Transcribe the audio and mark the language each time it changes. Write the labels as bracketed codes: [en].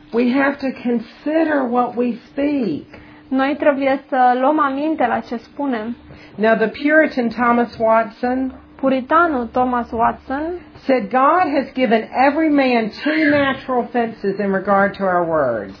[en] We have to consider what we speak. [ro] Noi trebuie să luăm aminte la ce spunem. [en] Now the Puritan Thomas Watson, [ro] puritanul Thomas Watson, [en] said God has given every man two natural fences in regard to our words.